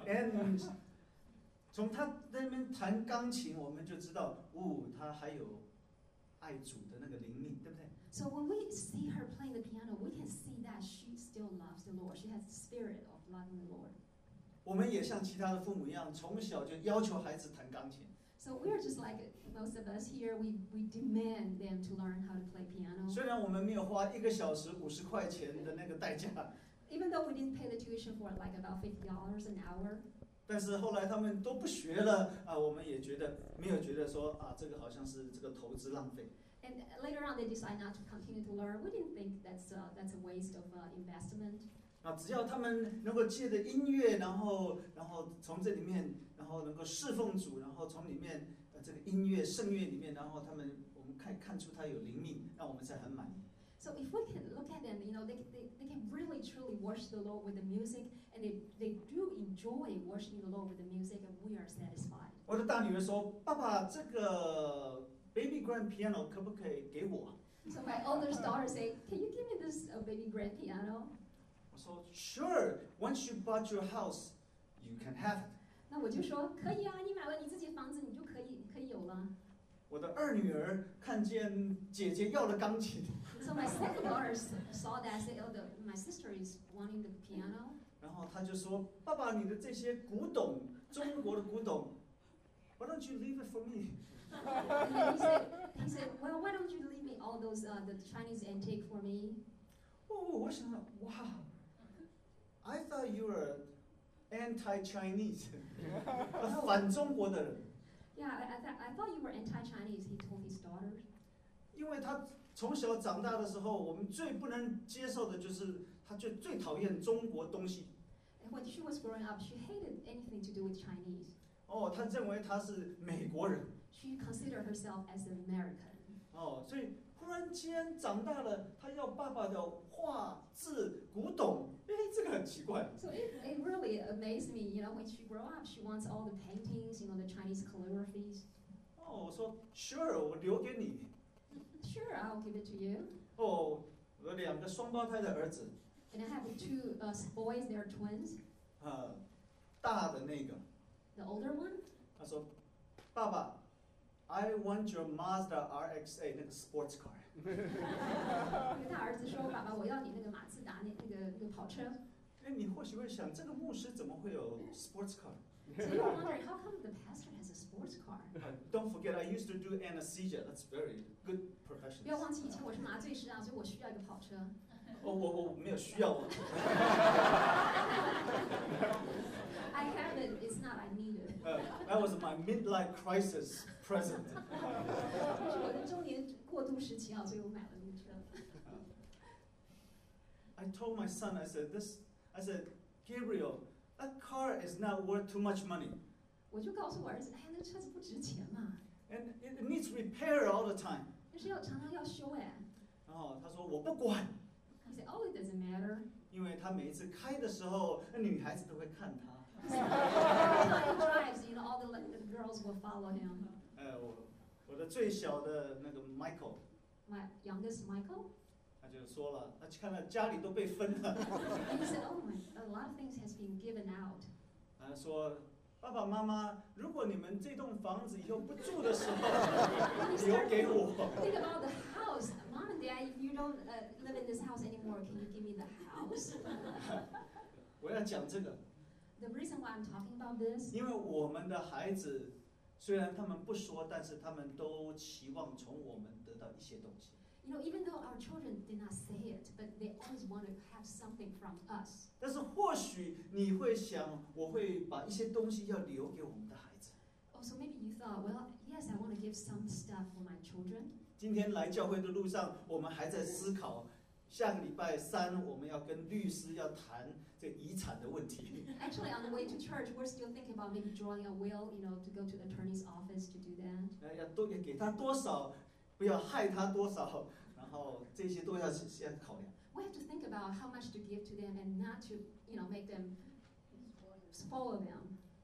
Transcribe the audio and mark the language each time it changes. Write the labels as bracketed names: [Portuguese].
[Chinese] And 从她那边弹钢琴我们就知道她还有爱主的那个灵命，对不对？ [English] So when we see her playing the piano, we can see that she still loves the Lord. She has the spirit of loving the Lord. [Chinese] 我们也像其他的父母一样，从小就要求孩子弹钢琴。 [English] So we are just like most of us here. We demand them to learn how to play piano. [Chinese] 虽然我们没有花一个小时$50的那个代价。 [English] Even though we didn't pay the tuition for like about $50 an hour. [Chinese] 但是后来他们都不学了我们也觉得没有觉得说这个好像是这个投资浪费。 [English] And later on, they decide not to continue to learn. We didn't think that's a waste of investment. [Chinese] 只要他们能够借着音乐，然后从这里面，然后能够侍奉主，然后从里面这个音乐圣乐里面，然后他们我们看出他有灵命，那我们才很满意。 [English] So if we can look at them, you know, they can really truly worship the Lord with the music, and they do enjoy worshiping the Lord with the music, and we are satisfied. [Chinese] 我的大女儿说：“爸爸，这个 baby grand piano 可不可以给我？” [English] So my oldest daughter say, "Can you give me this baby grand piano?" [Chinese] 我说 ：“Sure. [English] Once you bought your house, you can have it." [Chinese] 那我就说：“可以啊，你买了你自己房子，你就可以有了。” 我的二女儿看见姐姐要了钢琴。 [English] So my second daughter saw that, said, "Oh, my sister is wanting the piano." [Chinese] 然后她就说：“爸爸，你的这些古董，中国的古董 ， [English] Why don't you leave it for me?" He said, "Well, why don't you leave me all those the Chinese antique for me?" [Chinese] 哦，我想到，哇 ， [English] I thought you were anti-Chinese， [Chinese] 我是反中国的人。 [English] Yeah, I thought you were anti-Chinese, he told his daughter. [Chinese] 因为他从小长大的时候，我们最不能接受的就是他最讨厌中国东西。 [English] When she was growing up, she hated anything to do with Chinese. [Chinese] 哦，他认为他是美国人。 [English] She considered herself as an American. [Chinese] 哦，所以忽然间长大了，他要爸爸的画字古董。 [English] So it really amazed me, you know, when she grew up, she wants all the paintings, you know, the Chinese calligraphies. Oh, I said, sure, I'll give it to you. Sure, I'll give it to you. Oh, I have two twin sons. And I have two boys, they're twins. The older one. I said, Baba, I want your Mazda RX-8, that sports car. [Chinese] 因为他儿子说：“爸爸，我要你那个马自达那个跑车。” 哎，你或许会想，这个牧师怎么会有 sports car？ [English] So you're wondering how come the pastor has a sports car? Don't forget, I used to do anesthesia. That's very good profession. [Chinese] 不要忘记以前我是麻醉师啊，所以我需要一个跑车。哦，我没有需要。 [English] I have it. It's not I need it. That was my midlife crisis present. [Chinese] 就是我的中年过渡时期啊，所以我买了那个车。 [English] I told my son, I said, Gabriel, that car is not worth too much money. [Chinese] 我就告诉我儿子，哎，那车子不值钱嘛。 [English] And it needs repair all the time. [Chinese] 但是要常常要修哎。然后他说我不管。 [English] He said, "Oh, it doesn't matter." [Chinese] 因为他每一次开的时候，那女孩子都会看他。 [English] He drives, you know, all the girls will follow him. [Chinese] 我的最小的那个 Michael. [English] My youngest Michael. [Chinese] 他就说了，他看到家里都被分了。 [English] He said, "Oh my, a lot of things has been given out." [Chinese] 他说，爸爸妈妈，如果你们这栋房子以后不住的时候，留给我。 [English] Think about the house, mom and dad. If you don't live in this house anymore, can you give me the house? [Chinese] 我要讲这个。 [English] The reason why I'm talking about this. [Chinese] 因为我们的孩子，虽然他们不说，但是他们都期望从我们得到一些东西。 [English] You know, even though our children did not say it, but they always want to have something from us. [Chinese] 但是或许你会想，我会把一些东西要留给我们的孩子。 [English] Oh, so maybe you thought, well, yes, I want to give some stuff for my children. [Chinese] 今天来教会的路上，我们还在思考。下个礼拜三我们要跟律师要谈这遗产的问题。 [English] Actually, on the way to church, we're still thinking about maybe drawing a will, you know, to go to the attorney's office to do that. [Chinese] 要给他多少，不要害他多少，然后这些都要先考量。 [English] We have to think about how much to give to them and not to, you know, make them spoil them.